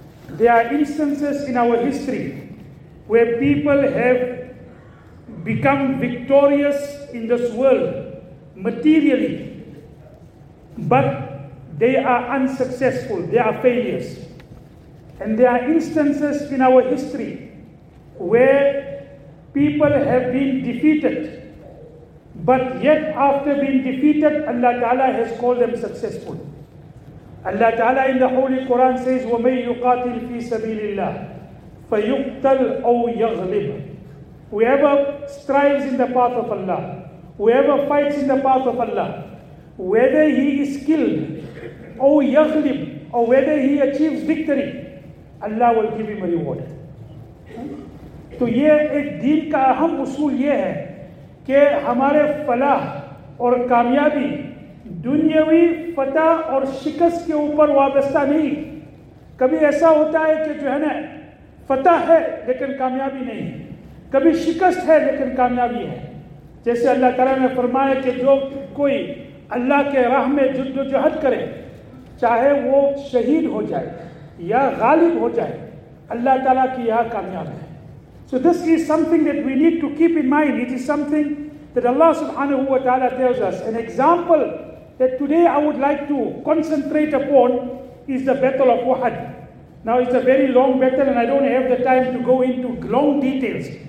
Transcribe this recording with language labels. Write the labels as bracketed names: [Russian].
[English] There are instances in our history where people have become victorious in this world materially, but they are unsuccessful, they are failures. And there are instances in our history where people have been defeated, but yet after being defeated, Allah Ta'ala has called them successful. Allah Ta'ala in the Holy Quran says, [Arabic] وَمَنْ يُقَاتِلْ فِي سَبِيلِ اللَّهِ فَيُقْتَلْ أَوْ يَغْلِبْ. [English] Whoever strives in the path of Allah, whoever fights in the path of Allah, whether he is killed, [Arabic] أَوْ يَغْلِبْ, [English] or whether he achieves victory, Allah will give him a reward. [Urdu] تو یہ ایک دین کا اہم اصول یہ ہے کہ ہمارے فلاح اور کامیابی دنیاوی فتح اور شکست کے اوپر وابستہ نہیں. کبھی ایسا ہوتا ہے کہ جو ہے نا فتح ہے لیکن کامیابی نہیں, کبھی شکست ہے لیکن کامیابی ہے. جیسے اللہ تعالیٰ نے فرمایا کہ جو کوئی اللہ کے راہ میں جد و جہد کرے, چاہے وہ شہید ہو جائے یا غالب ہو جائے, اللہ تعالیٰ کی یہاں کامیاب ہے. [English] So this is something that we need to keep in mind. It is something that Allah subhanahu wa ta'ala tells us. An example that today I would like to concentrate upon is the Battle of Uhud. Now it's a very long battle and I don't have the time to go into long details.